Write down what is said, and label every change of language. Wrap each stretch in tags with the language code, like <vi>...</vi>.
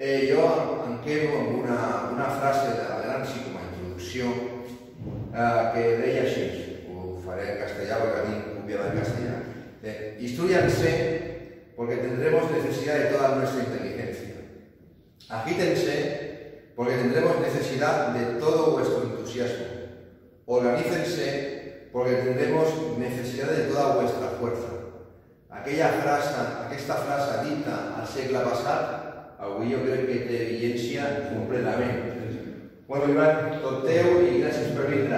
<ca>Jo em quedo amb una frase de Gramsci com a introducció que deia així, ho faré en castellà perquè a mi copiava en castellà,</ca> <es>Histórianse porque tendremos necesidad de toda nuestra inteligencia. Agítense porque tendremos necesidad de todo vuestro entusiasmo. Organícense porque tendremos necesidad de toda vuestra fuerza.</es> <ca>Aquesta frase dita al segle passat, avui jo crec que té vigència completament. Bon dia, tot teu i gràcies per vindre.</ca>